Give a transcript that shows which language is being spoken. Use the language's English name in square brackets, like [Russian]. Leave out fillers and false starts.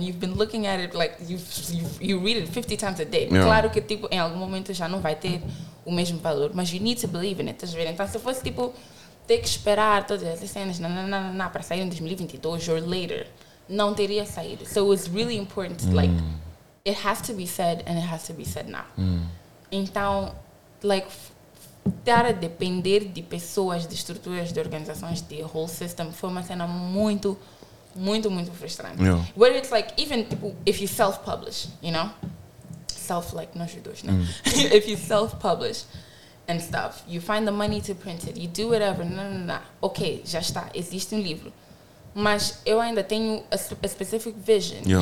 [English] You've been looking at it, like, you read it 50 times a day. Yeah. [Portuguese] Claro que, tipo, em algum momento já não vai ter o mesmo valor. Mas [English] you need to believe in it. [Portuguese] Estás vendo? Então, se eu fosse, tipo, ter que esperar todas as cenas para sair em 2022 [English] or later, [Portuguese] não teria saído. [English] So it was really important, like, it has to be said and it has to be said now. [Portuguese] Então, like, estar a depender de pessoas, de estruturas, de organizações, de [English] whole system, [Portuguese] foi uma cena muito, muito, muito frustrante. [English] Yeah. Whether it's like, even if you self-publish, you know? Self, like, [Portuguese] nós dois, né? [English] If you self-publish and stuff, you find the money to print it, you do whatever, ok, [Portuguese] já está, existe livro. Mas eu ainda tenho a [English] specific vision, yeah.